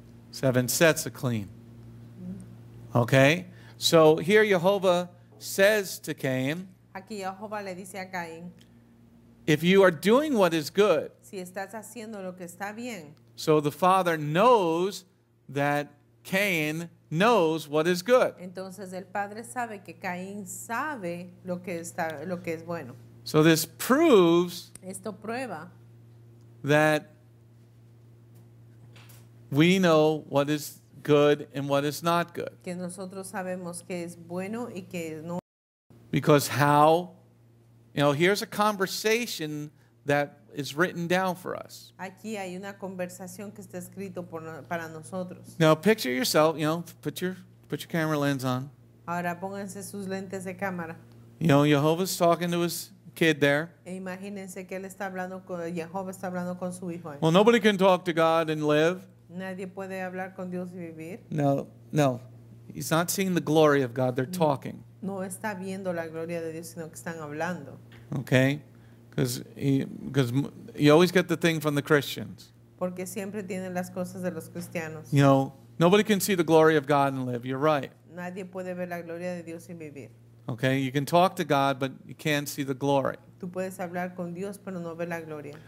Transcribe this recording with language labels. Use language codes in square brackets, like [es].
[en] Seven sets of clean. Okay? So here Yehovah says to Cain, [es] aquí Jehová le dice a Caín, [en] if you are doing what is good, [es] si estás haciendo lo que está bien, [en] so the father knows that Cain knows what is good. [es] Entonces el padre sabe que Caín sabe lo que es bueno. [en] So this proves, [es] esto prueba, [en] that we know what is good and what is not good. [es] Que nosotros sabemos que es bueno y que no. [en] Because how, you know, here's a conversation that is written down for us. [es] Aquí hay una conversación que está escrito por, para nosotros. [en] Now picture yourself, you know, put your camera lens on. [es] Ahora pónganse sus lentes de cámara. [en] You know, Jehovah's talking to his kid there. [es] E imagínense que él está hablando con, Jehovah está hablando con su hijo. [en] Well, nobody can talk to God and live. [es] Nadie puede hablar con Dios y vivir. [en] No, no. He's not seeing the glory of God. They're talking. [es] No está viendo la gloria de Dios, sino que están hablando. [en] Okay? Because you always get the thing from the Christians. [es] Porque siempre tienen las cosas de los cristianos. [en] You know, nobody can see the glory of God and live. You're right. [es] Nadie puede ver la gloria de Dios y vivir. [en] Okay? You can talk to God, but you can't see the glory. [es] Tú puedes hablar con Dios, pero no ver la gloria.